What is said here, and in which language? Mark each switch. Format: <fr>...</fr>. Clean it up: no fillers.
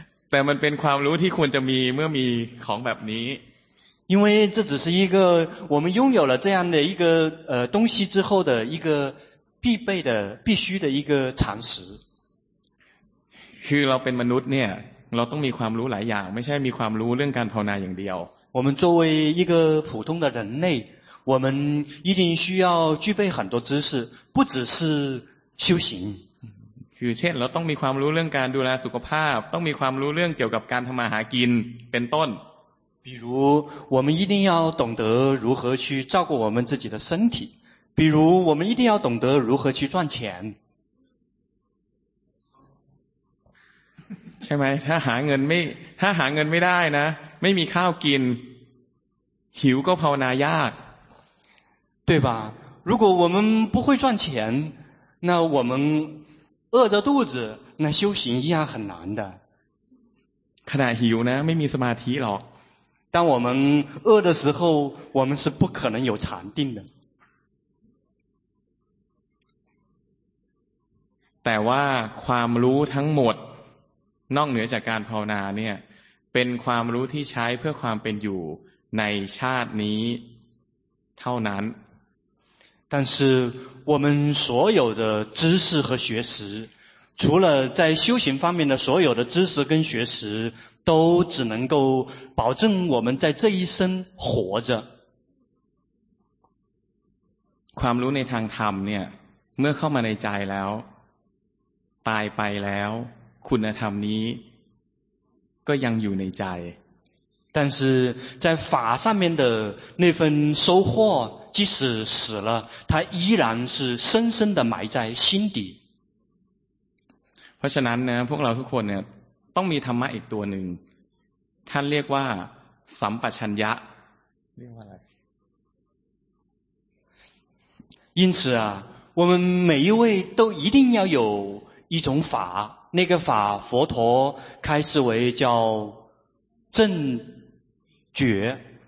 <th>แต่มันเป็นความรู้ที่ควรจะมีเมื่อมีของแบบนี้</th> <zh>因为这只是一个我们拥有了这样的一个东西之后的一个必备的必须的一个常识</zh> <th>คือเราเป็นมนุษย์เนี่ยเราต้องมีความรู้หลายอย่างไม่ใช่มีความรู้เรื่องการภาวนาอย่างเดียว</th> <zh>我们作为一个普通的人类我们一定需要具备很多知识不只是修行</zh> <th>คือเช่นเราต้องมีความรู้เรื่องการดูแลสุขภาพต้องมีความรู้เรื่องเกี่ยวกับการทำมาหากินเป็นต้น</th> <zh>比如我们一定要懂得如何去照顾我们自己的身体比如我们一定要懂得如何去赚钱</zh> <th>ใช่ไหมถ้าหาเงินไม่ถ้าหาเงินไม่ได้นะไม่มีข้าวกินหิวก็ภาวนายาก</th> <zh>对吧？如果我们不会赚钱，那我们饿着肚子，那修行一样很难的。</zh> <th>ขณะหิวนะไม่มีสมาธิหรอก。</th> <zh>当我们饿的时候，我们是不可能有禅定的。</zh> <th>แต่ว่าความรู้ทั้งหมดนอกเหนือจากการภาวนาเนี่ยเป็นความรู้ที่ใช้เพื่อความเป็นอยู่ในชาตินี้เท่านั้น</th> <zh>但是我们所有的知识和学识除了在修行方面的所有的知识跟学识都只能够保证我们在这一生活着</zh> <th>ความรู้ในทางธรรมเนี่ยเมื่อเข้ามาในใจแล้วตายไปแล้วคุณธรรมนี้ก็ยังอยู่ในใจ</th> <zh>但是在法上面的那份收获即使死了它依然是深深的埋在心底</zh> <th>เพราะฉะนั้นนะพวกเราทุกคนเนี่ยต้องมีธรรมะอีกตัวหนึ่งท่านเรียกว่าสัมปชัญญะ เรียกว่าอะไร</th> <zh>因此啊我们每一位都一定要有一种法那个法佛陀开示为叫正觉</zh>